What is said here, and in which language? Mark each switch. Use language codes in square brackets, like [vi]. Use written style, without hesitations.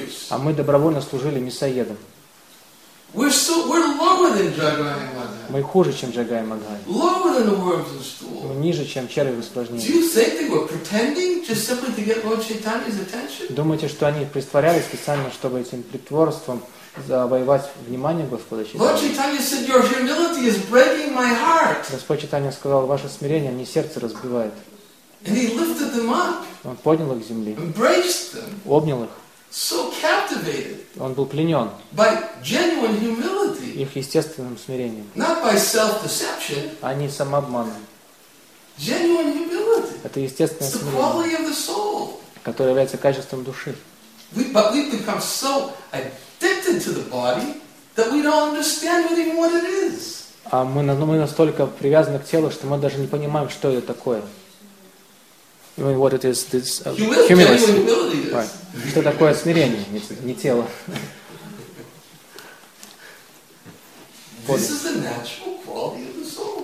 [ru] А мы добровольно служили мясоедам. [en] We're lower than Jagannath Mahadev. [ru] Мы хуже, чем Jagannath Mahadev. [en] Lower than the worms and stools. [ru] Мы ниже, чем черви в испражнениях. [en] Do you think they were pretending just simply to get Lord Chaitanya's attention? [ru] Думаете, что они притворялись специально, чтобы этим притворством завоевать внимание Господа [en] Чайтанья? Lord Chaitanya said, "Your humility is breaking my heart." [ru] Господь Чайтанья сказал, ваше смирение мне сердце разбивает. [en] And he lifted them up. [ru] Он поднял их с земли. [en] Embraced them. [ru] Обнял их. [en] So captivated. [ru] Он был пленен. [en] By genuine humility. [ru] Их естественным смирением. [en] Not by self-deception. [ru] А не самообманом. [en] Genuine humility. [ru] Это естественное смирение. [en] It's the quality of the soul. [ru] Которое является качеством души. [en] But we become so addicted to the body that we don't understand even what it is. [ru] А мы настолько привязаны к телу, что мы даже не понимаем, что это такое. [en] even what it is, this humility. [ru] Что такое смирение, не тело. [en] This is the natural quality of the soul.